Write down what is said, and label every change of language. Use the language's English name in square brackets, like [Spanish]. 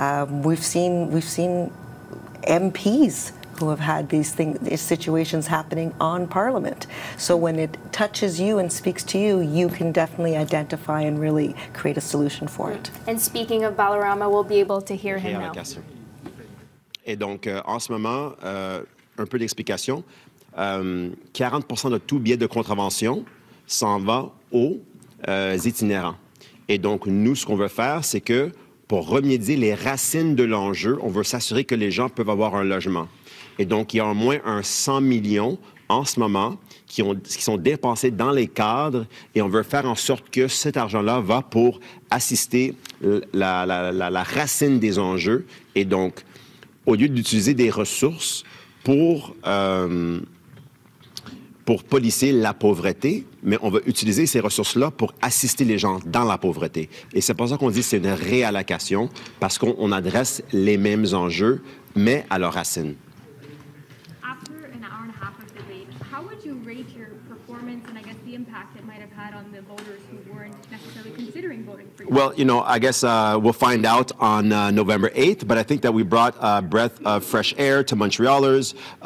[English] We've seen MPs who have had these situations happening on Parliament. So when it touches you and speaks to you, you can definitely identify and really create a solution for it. And speaking of Balarama, we'll be able to hear him now. [French] Et donc, en ce moment, un peu d'explication. 40% de tout billet de contravention s'en va aux itinérants. Et donc, nous, ce qu'on veut faire, c'est que pour remédier les racines de l'enjeu, on veut s'assurer que les gens peuvent avoir un logement. Et donc, il y a au moins un 100 millions en ce moment qui sont dépensés dans les cadres et on veut faire en sorte que cet argent-là va pour assister la racine des enjeux. Et donc, au lieu d'utiliser des ressources pour policier la pauvreté, mais on va utiliser ces ressources-là pour assister les gens dans la pauvreté. Et c'est pour ça qu'on dit que c'est une réallocation, parce qu'on adresse les mêmes enjeux, mais à leur racine. [English] After an hour and a half of debate, how would you rate your performance and, I guess, the impact it might have had on the voters who weren't necessarily considering voting for you? Well, you know, I guess we'll find out on November 8th, but I think that we brought a breath of fresh air to Montrealers.